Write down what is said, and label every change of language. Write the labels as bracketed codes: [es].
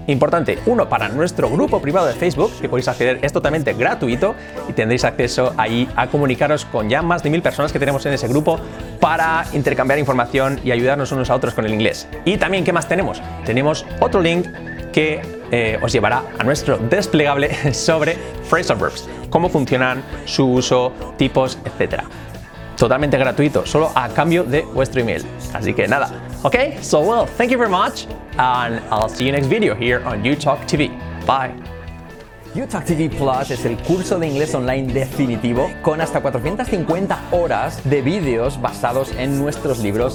[es] Importante, uno para nuestro grupo privado de Facebook, que podéis acceder, es totalmente gratuito y tendréis acceso ahí a comunicaros con ya más de 1000 personas que tenemos en ese grupo para intercambiar información y ayudarnos unos a otros con el inglés. Y también, ¿qué más tenemos? Tenemos otro link que... os llevará a nuestro desplegable sobre phrasal verbs, cómo funcionan, su uso, tipos, etc. Totalmente gratuito, solo a cambio de vuestro email. Así que nada, ¿ok? [en] So, well, thank you very much, and I'll see you next video here on YouTalk TV. Bye. [es] YouTalk TV Plus es el curso de inglés online definitivo con hasta 450 horas de vídeos basados en nuestros libros.